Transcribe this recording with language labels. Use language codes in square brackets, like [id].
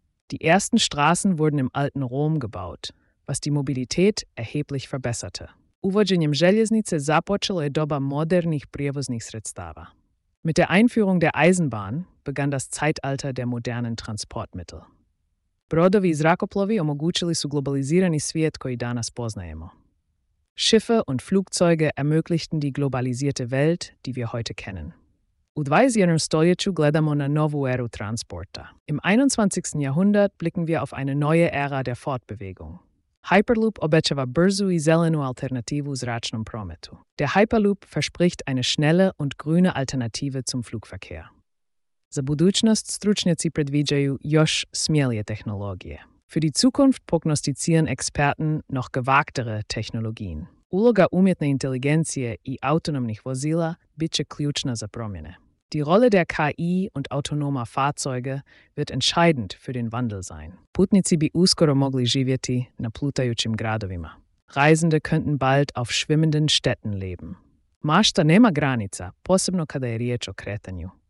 [de] Die ersten Straßen wurden im alten Rom gebaut, was die Mobilität erheblich verbesserte. [hr] Uvođenjem željeznice započelo je doba modernih prijevoznih sredstava. [de] Mit der Einführung der Eisenbahn begann das Zeitalter der modernen Transportmittel. [hr] Brodovi i zrakoplovi omogućili su globalisirani svijet koji danas poznajemo. [de] Schiffe und Flugzeuge ermöglichten die globalisierte Welt, die wir heute kennen. [hr] U 20. stoljeću gledamo na novu eru transporta. [de] Im 21. Jahrhundert blicken wir auf eine neue Ära der Fortbewegung. [hr] Hyperloop obećava brzu i zelenu alternativu zračnom prometu. [de] Der Hyperloop verspricht eine schnelle und grüne Alternative zum Flugverkehr. [hr] Za budućnost stručnjaci predviđaju još smjelije tehnologije. [de] Für die Zukunft prognostizieren Experten noch gewagtere Technologien. [hr] Uloga umjetne inteligencije i autonomnih vozila bit će ključna za promjene. [de] Die Rolle der KI und autonomer Fahrzeuge wird entscheidend für den Wandel sein. [hr] Putnici bi uskoro mogli živjeti na plutajućim gradovima. [de] Reisende könnten bald auf schwimmenden Städten leben. [hr] Mašta nema granica, posebno kada je riječ o kretanju.